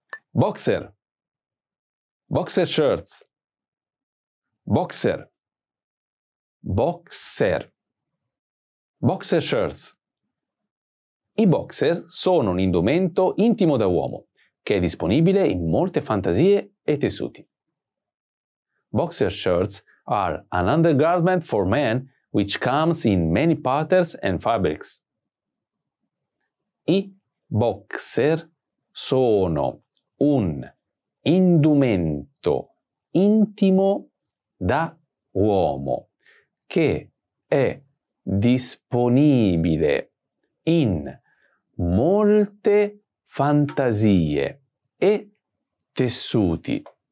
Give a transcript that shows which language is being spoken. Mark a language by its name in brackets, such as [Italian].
[English] Boxer. Boxer shirts. Boxer. Boxer. Boxer shirts. [Italian] I boxer sono un indumento intimo da uomo che è disponibile in molte fantasie e tessuti. [English] Boxer shirts are an undergarment for men which comes in many patterns and fabrics. [Italian] I boxer sono un indumento intimo da uomo che è disponibile in molte fantasie e tessuti.